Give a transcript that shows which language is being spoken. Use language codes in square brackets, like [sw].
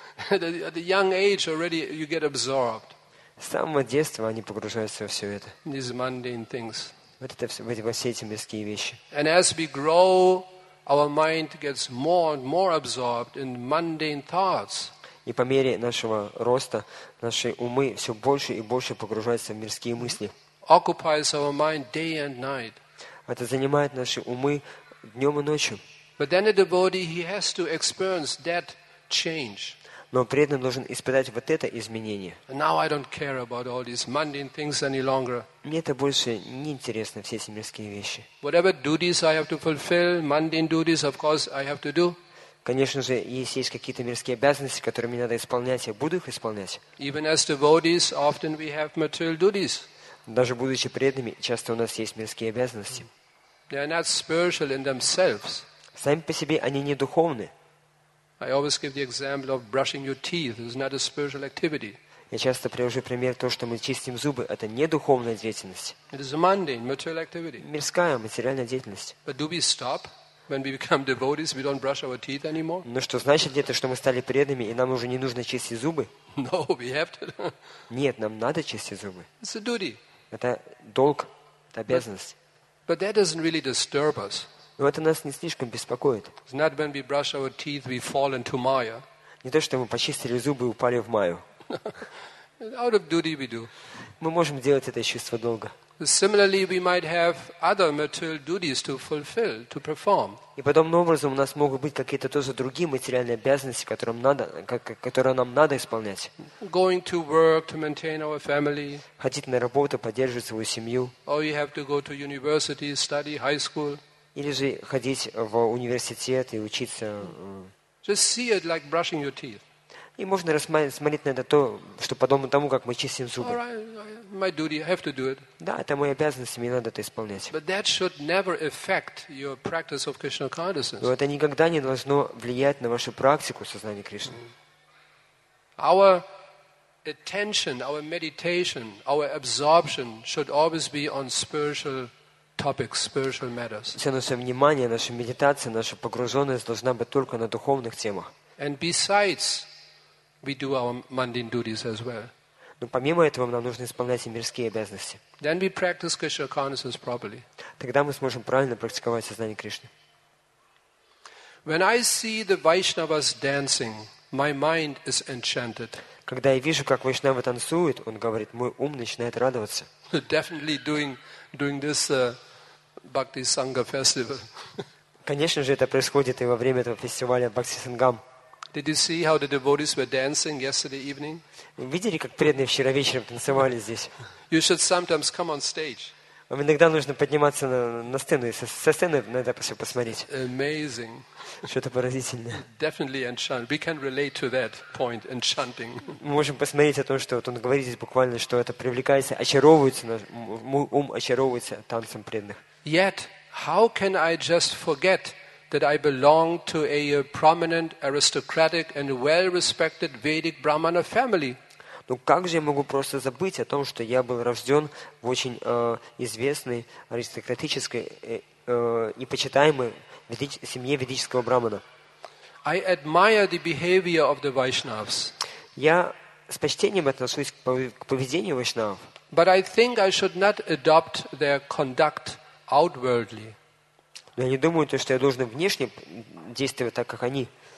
[en] At the young age already you get absorbed. [ru] С самого детства они погружаются во все это. [en] These mundane things. [ru] Вот это все эти мирские вещи. [en] And as we grow, our mind gets more and more absorbed in mundane thoughts. [ru] И по мере нашего роста наши умы все больше и больше погружаются в мирские мысли. [en] Occupies our mind day and night. [ru] Это занимает наши умы днем и ночью. [en] But then a devotee he has to experience that change. [ru] Но преданный должен испытать вот это изменение. Мне это больше не интересно, все эти мирские вещи. [en] Whatever duties I have to fulfill, mundane duties, of course, I have to do. [ru] Конечно же, если есть какие-то мирские обязанности, которые мне надо исполнять, я буду их исполнять. [en] Even as devotees, often we have material duties. [ru] Даже будучи преданными, часто у нас есть мирские обязанности. [en] They are not spiritual in themselves. [ru] Сами по себе они не духовны. [en] I always give the example of brushing your teeth. It's not a spiritual activity. [ru] Я часто привожу пример то, что мы чистим зубы, это не духовная деятельность. [en] It is a mundane, material activity. [ru] Мирская, материальная деятельность. [en] But do we stop when we become devotees? We don't brush our teeth anymore? [ru] Но что значит это, что мы стали преданными и нам уже не нужно чистить зубы? [en] No, we have to. [ru] Нет, нам надо чистить зубы. [en] It's a duty. [ru] Это долг, это обязанность. [en] But that doesn't really disturb us. [ru] Но это нас не слишком беспокоит. [en] It's not when we brush our teeth, we fall into Maya. [ru] Не то, что мы почистили зубы и упали в Маю. [en] Out of duty we do. [ru] Мы можем делать это из чувства долга. [en] Similarly, we might have other material duties to fulfill, to perform. [ru] И подобным образом у нас могут быть какие-то тоже другие материальные обязанности, которые нам надо исполнять. [en] Going to work to maintain our family. [ru] Ходить на работу, поддерживать свою семью. [en] Or you have to go to university, study high school. [ru] Или же ходить в университет и учиться. [en] Just see it like brushing your teeth. [ru] И можно смотреть на это то, что подобно тому, как мы чистим зубы. [en] My duty, I have to do it. [ru] Да, это моя обязанность, мне надо это исполнять. [en] But that should never affect your practice of Krishna consciousness. [ru] Но это никогда не должно влиять на вашу практику сознания Кришны. [en] Our attention, our meditation, our absorption should always be on spiritual topics, spiritual matters. [ru] Все наше внимание, наша медитация, наша погруженность должна быть только на духовных темах. [en] And besides, we do our mundane duties as well. [ru] Но помимо этого, нам нужно исполнять и мирские обязанности. [en] Then we practice Krishna consciousness properly. [ru] Тогда мы сможем правильно практиковать сознание Кришны. [en] When I see the Vaishnavas dancing, my mind is enchanted. [ru] Когда я вижу, как Вайшнавы танцуют, он говорит, мой ум начинает радоваться. [en] Definitely during this Bhakti Sangha festival. [ru] Конечно же, это происходит и во время этого фестиваля Бхакти Сангам. [en] Did you see how the devotees were dancing yesterday evening? [ru] Видели, как преданные вчера вечером танцевали здесь? [en] You should sometimes come on stage. [ru] Вам иногда нужно подниматься на сцену и со сцены иногда все посмотреть. [en] Amazing. [ru] Что-то поразительное. [en] Definitely enchanting. We can relate to that point, enchanting. [ru] Мы можем посмотреть о том, что вот он говорит здесь буквально, что это привлекается, очаровывается, мой ум очаровывается танцем преданных. [en] Yet, how can I just forget that I belong to a prominent, aristocratic, and well-respected Vedic Brahmana family? [ru] Ну как же я могу просто забыть о том, что я был рожден в очень известной, аристократической и почитаемой семье ведического брахмана? [en] I admire the behavior of the Vaishnavas. [ru] Я с почтением отношусь к поведению вайшнавов. [en] But I think I should not adopt their conduct outwardly. [ru] Но я не думаю, что я должен внешне действовать так, как они.